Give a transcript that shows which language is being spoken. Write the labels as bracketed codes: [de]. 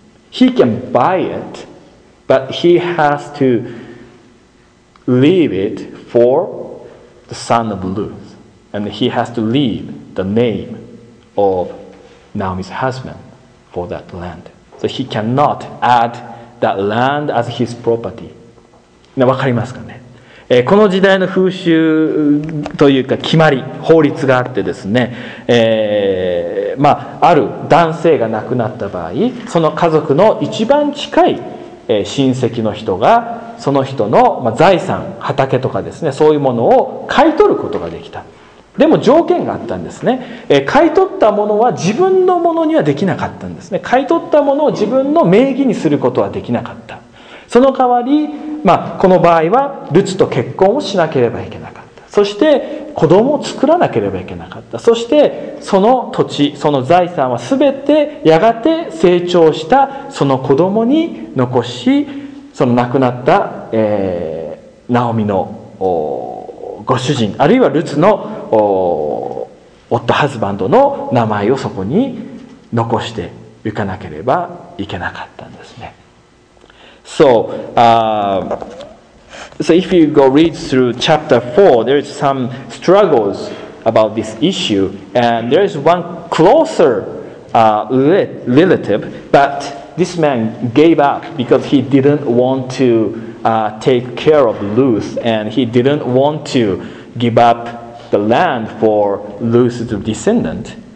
[en] He can buy it, but he has to leave it for the son of Ruth, and he has to leave the name of Naomi's husband for that land. So he cannot add that land as his property. [ja] ね、わかりますかね、この時代の風習というか決まり、法律があってですね、まあ、ある男性が亡くなった場合、その家族の一番近い、親戚の人がその人の、まあ、財産、畑とかですね、そういうものを買い取ることができた。でも条件があったんですね、買い取ったものは自分のものにはできなかったんですね。買い取ったものを自分の名義にすることはできなかった。その代わり、まあ、この場合はルツと結婚をしなければいけなかった。そして子供を作らなければいけなかった。そしてその土地、その財産は全てやがて成長したその子供に残し、その亡くなった、ナオミのご主人、あるいはルツの夫ハズバンドの名前をそこに残していかなければいけなかったんですね。 [en] So if you go read through chapter 4, there is some struggles about this issue, and there is one closer relative, but this man gave up because he didn't want to take care of Ruth, and he didn't want to give up the land for Ruth's descendant.